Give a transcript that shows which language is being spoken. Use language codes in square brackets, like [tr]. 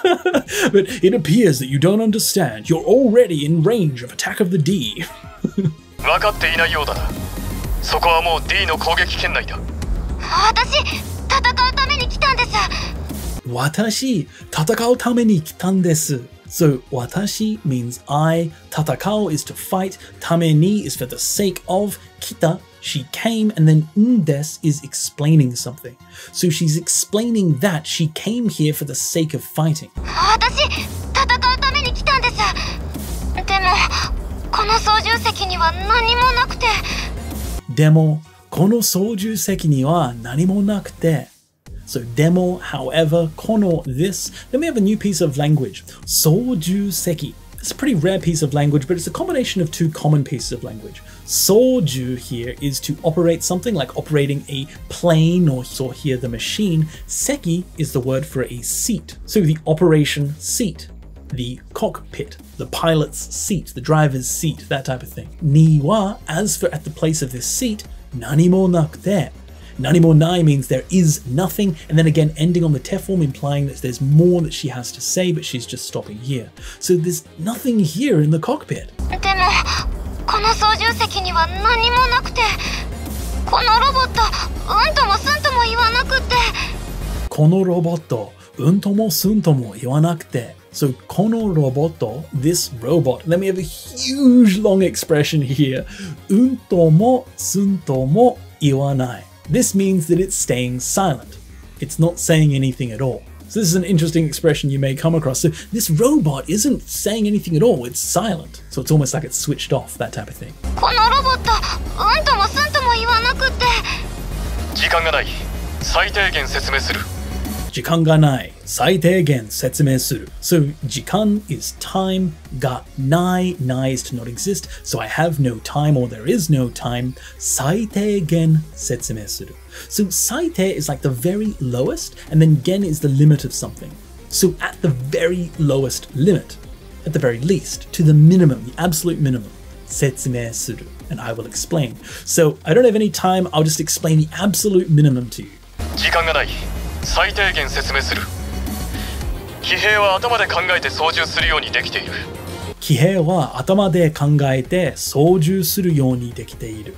[en] But it appears that you don't understand. You're already in range of attack of the D. [ja] わかっていないようだな。そこはもう D の攻撃圏内だ。私、戦うために来たんです。私、戦うために来たんです。 [en] So, 私 means I. 戦う is to fight. ために is for the sake of. 来た、she came. And then んです is explaining something. So she's explaining that she came here for the sake of fighting. [ja] 私、戦うために来たんです。でも、この操縦席には何もなくて。でも、この操縦席には何もなくて。 [en] So, でも、however, この、this. Then we have a new piece of language. [ja] 操縦席. [en] It's a pretty rare piece of language, but it's a combination of two common pieces of language. 操縦 here is to operate something, like operating a plane or so here the machine. 席 is the word for a seat. So, the operation seat. The cockpit, the pilot's seat, the driver's seat, that type of thing. にはas for at the place of this seat, [ja] 何もなくて。 [en] 何もない means there is nothing, and then again ending on the te form implying that there's more that she has to say, but she's just stopping here. So there's nothing here in the cockpit. [ja] でも、この操縦席には何もなくて。このロボット、うんともすんとも言わなくて。このロボット、うんともすんとも言わなくて。 [en] So, このロボット, this robot, then we have a huge long expression here. [ja] うんともすんとも言わない. [en] This means that it's staying silent. It's not saying anything at all. So this is an interesting expression you may come across. So this robot isn't saying anything at all. It's silent. So it's almost like it's switched off, that type of thing. [ja] このロボット, うんともすんとも言わなくて。時間がない。最低限説明する。時間がない。最低限説明する。 [en] So, 時間 is time, がない、ないis to not exist, so I have no time or there is no time. [ja] 最低限説明する。 [en] So, 最低 is like the very lowest, and then 限 is the limit of something. So, at the very lowest limit, at the very least, to the minimum, the absolute minimum, [ja] 説明する。 [en] And I will explain. So, I don't have any time, I'll just explain the absolute minimum to you. [ja] 時間がない。最低限説明する。騎兵は頭で考えて操縦するようにできている。騎兵は頭で考えて操縦するようにできている。